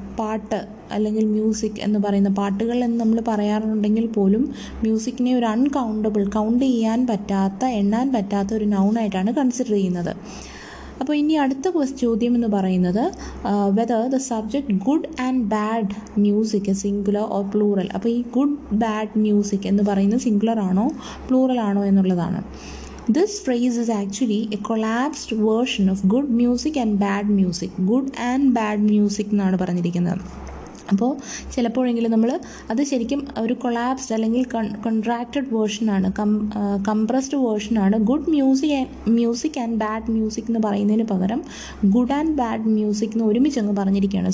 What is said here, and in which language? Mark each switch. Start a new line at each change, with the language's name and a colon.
Malayalam: പാട്ട് അല്ലെങ്കിൽ മ്യൂസിക് എന്ന് പറയുന്ന പാട്ടുകൾ എന്ന് നമ്മൾ പറയാറുണ്ടെങ്കിൽ പോലും മ്യൂസിക്കിനെ ഒരു അൺകൗണ്ടബിൾ, കൗണ്ട് ചെയ്യാൻ പറ്റാത്ത, എണ്ണാൻ പറ്റാത്ത ഒരു നൗണായിട്ടാണ് കൺസിഡർ ചെയ്യുന്നത്. അപ്പോൾ ഇനി അടുത്ത ചോദ്യം എന്ന് പറയുന്നത്
English: Whether the subject good and bad music singular or plural.
Malayalam: അപ്പോൾ ഈ ഗുഡ് ബാഡ് മ്യൂസിക് എന്ന് പറയുന്നത് സിംഗുലർ ആണോ പ്ലൂറൽ ആണോ എന്നുള്ളതാണ്.
English: This phrase is actually a collapsed version of good music and bad music. Good and bad music
Malayalam: എന്നാണ് പറഞ്ഞിരിക്കുന്നത്. അപ്പോൾ ചിലപ്പോഴെങ്കിലും നമ്മൾ അത് ശരിക്കും ഒരു കൊളാപ്സ്ഡ് അല്ലെങ്കിൽ contracted വേർഷനാണ്, compressed വേർഷനാണ്
English: good music and bad music
Malayalam: എന്ന് പറയുന്നതിന് പകരം
English: good and bad music
Malayalam: എന്ന് ഒരുമിച്ചങ്ങ് പറഞ്ഞിരിക്കുകയാണ്.